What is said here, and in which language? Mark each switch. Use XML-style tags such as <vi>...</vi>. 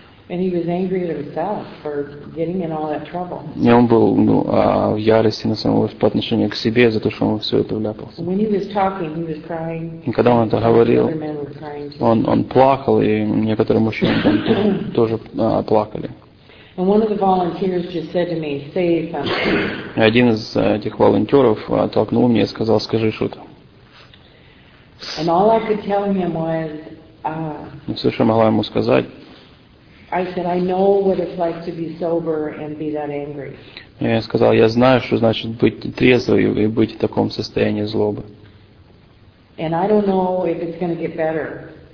<en>And he was angry at himself for getting in all that trouble.</en> <ru>И он был в ярости на самого по отношению к себе за то, что он все это вляпался.</ru> <en>When he was talking, he was crying.</en> <ru>И когда он это говорил, он плакал, и некоторые мужчины там тоже плакали.</ru> <en>And one of the volunteers just said to me, "Say something."</en> <ru>Один из этих волонтеров толкнул меня и сказал, "Скажи что-то."</ru> <en>And all I could tell him was.</en> <ru>И все, что я могла ему сказать.</ru> <en>I said I know what it's like to be sober and be that angry.</en> <ru>Я сказал, я знаю, что значит быть трезвым и быть в таком состоянии злобы.</ru> <en>And I don't know if it's going to get better.</en>